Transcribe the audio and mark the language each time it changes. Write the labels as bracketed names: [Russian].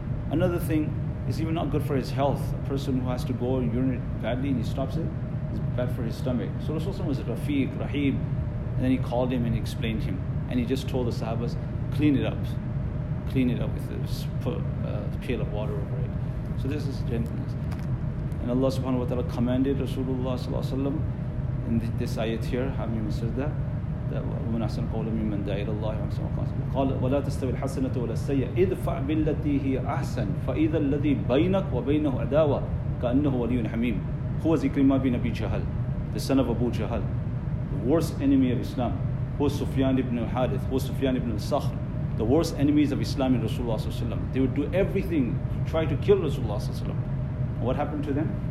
[English] Another thing is even not good for his health. A person who has to go and urinate badly and he stops it, it's bad for his stomach. So Rasulullah was a Rafiq, Rahim. And then he called him and explained him. And he just told the Sahabas, clean it up. Clean it up with this, put a pail of water over it. So this is gentleness. And Allah subhanahu wa ta'ala commanded Rasulullah sallallahu alayhi wa sallam in this ayat here, Hamim Sirda, that [Arabic] وَمَنْ أَحْسَنُ قَوْلًا مِمَّنْ دَعَى إِلَى اللَّهِ وَمَنْ سَمَعَ قَوْلًا قَالَ وَلَا تَسْتَوِي الْحَسَنَةُ وَلَا السَّيِّئَةُ اِدْفَعْ بِالَّتِي هِيَ أَحْسَنُ فَإِذَا الَّذِي بَيْنَكَ وَبَيْنَهُ عَدَاوَةٌ كَأَنَّهُ وَلِيٌّ حَمِيمٌ. [English] Who was Ikrimah bin Abi Jahl, the son of Abu Jahl, the worst enemy of Islam? Who was Sufyan ibn al-Hadith? Who was Sufyan ibn al-Sakhr? The worst enemies of Islam in Rasulullah sallallahu alaihi wasallam. They would do everything to try to kill Rasulullah sallallahu alaihi wasallam. What happened to them?